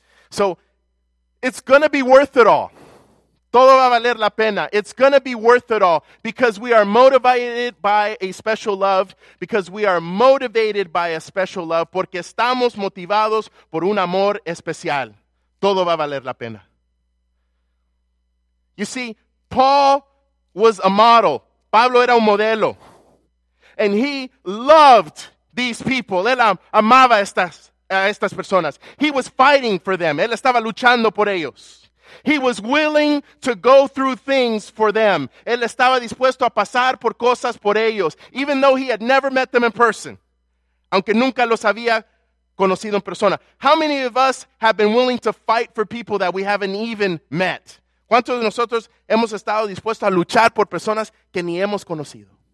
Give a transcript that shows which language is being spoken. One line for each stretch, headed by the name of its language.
English: So, it's going to be worth it all.
Spanish: Todo va a valer la pena.
English: It's going to be worth it all because we are motivated by a special love. Because we are motivated by a special love.
Spanish: Porque estamos motivados por un amor especial. Todo va a valer la pena.
English: You see, Paul was a model.
Spanish: Pablo era un modelo.
English: And he loved these people.
Spanish: Él amaba a estas personas.
English: He was fighting for them.
Spanish: Él estaba luchando por ellos.
English: He was willing to go through things for them.
Spanish: Él estaba dispuesto a pasar por cosas por ellos,
English: even though he had never met them in person.
Spanish: Aunque nunca los había conocido en persona.
English: How many of us have been willing to fight for people that we haven't even met?
Spanish: ¿Cuántos de nosotros hemos estado dispuestos a luchar por personas que ni hemos conocido?